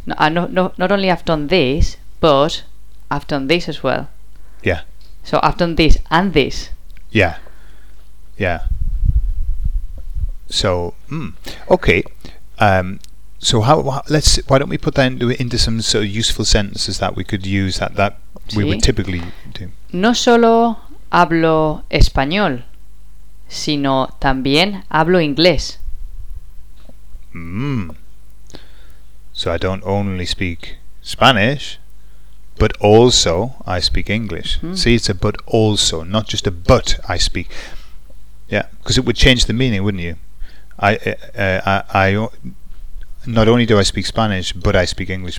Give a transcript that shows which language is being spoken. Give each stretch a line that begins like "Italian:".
English: Not only I've done this, but I've done this as well. Yeah. So I've done this and this. Yeah. Yeah. So, okay. So why don't we put that into some sort of useful sentences that we could use that
Spanish: ¿Sí?
English: We would typically do.
Spanish: No solo hablo español, sino también hablo inglés.
English: So I don't only speak Spanish, but also I speak English. Mm-hmm. See, it's a but also, not just a but I speak. Yeah, because it would change the meaning, wouldn't you? I not only do I speak Spanish, but I speak English.